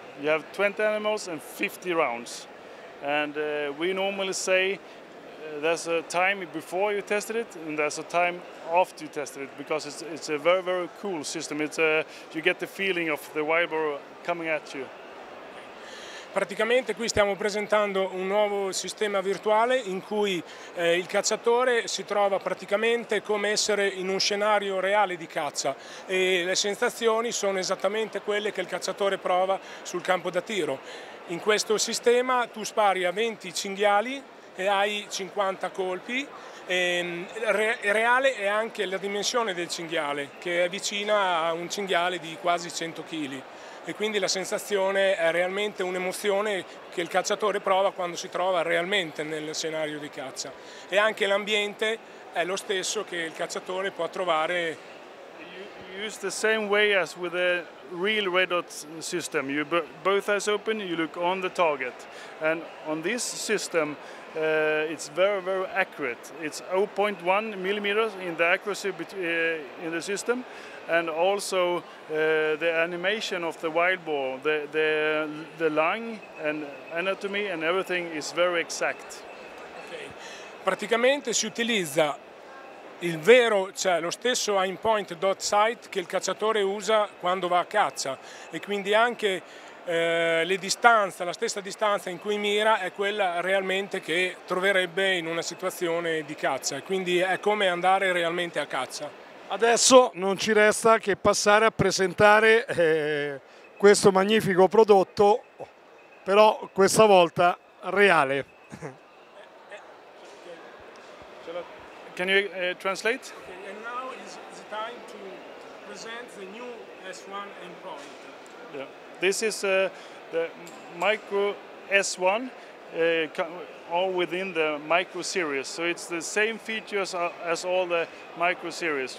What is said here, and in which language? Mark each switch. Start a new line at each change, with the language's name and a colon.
English: You have 20 animals and 50 rounds. And we normally say there's a time before you tested it and there's a time after you tested it, because it's a very, very cool system. You get the feeling of the wild boar coming at you.
Italian: Praticamente qui stiamo presentando un nuovo sistema virtuale in cui il cacciatore si trova praticamente come essere in un scenario reale di caccia e le sensazioni sono esattamente quelle che il cacciatore prova sul campo da tiro. In questo sistema tu spari a 20 cinghiali e hai 50 colpi, reale è anche la dimensione del cinghiale, che è vicina a un cinghiale di quasi 100 kg. E quindi la sensazione è realmente un'emozione che il cacciatore prova quando si trova realmente nel scenario di caccia. E anche l'ambiente è lo stesso che il cacciatore può trovare.
English: Use the same way as with a real red dot system. You both eyes open, you look on the target. And on this system, it's very, very accurate. It's 0.1 millimeters in the accuracy in the system. And also the animation of the wild boar, the lung and anatomy and everything is very exact. Okay.
Italian: Praticamente si utilizza il vero, cioè lo stesso aimpoint dot sight che il cacciatore usa quando va a caccia, e quindi anche le distanze, la stessa distanza in cui mira è quella realmente che troverebbe in una situazione di caccia, e quindi è come andare realmente a caccia. Adesso non ci resta che passare a presentare questo magnifico prodotto, però questa volta reale.
English: Can you translate? Okay, and now is the time to present the new S1 aimpoint. Yeah, this is the micro S1, all within the micro series. So it's the same features as all the micro series.